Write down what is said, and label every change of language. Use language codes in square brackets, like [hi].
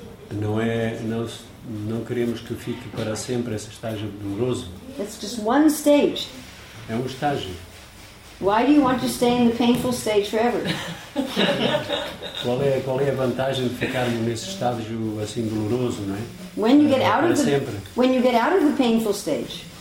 [pt] Não queremos que fique para sempre esse estágio doloroso. [en] It's just one stage. [pt] É estágio. [en] Why do you want to stay in the painful stage forever? [pt] Qual é a vantagem de ficarmos nesse estágio assim doloroso, não é? [en] When you get out of the painful stage.